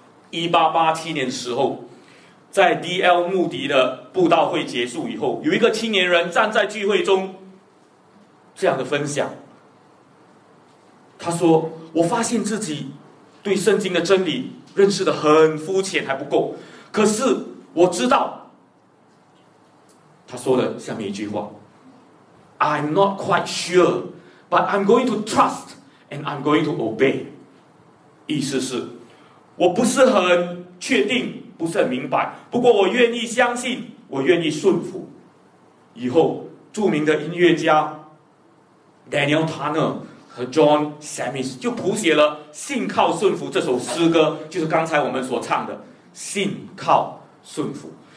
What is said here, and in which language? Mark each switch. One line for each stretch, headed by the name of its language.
Chinese: 1887年的时候，在 D.L. 穆迪的布道会结束以后，有一个青年人站在聚会中这样的分享，他说：“我发现自己对圣经的真理认识得很肤浅，还不够，可是我知道。” 他说的下面一句话，
English: I'm not quite sure, but I'm going to trust and I'm going to obey.
Chinese: 意思是，我不是很确定，不是很明白，不过我愿意相信，我愿意顺服。以后，著名的音乐家 Daniel Tanner 和 John Sammis 就谱写了《信靠顺服》这首诗歌，就是刚才我们所唱的《信靠顺服》。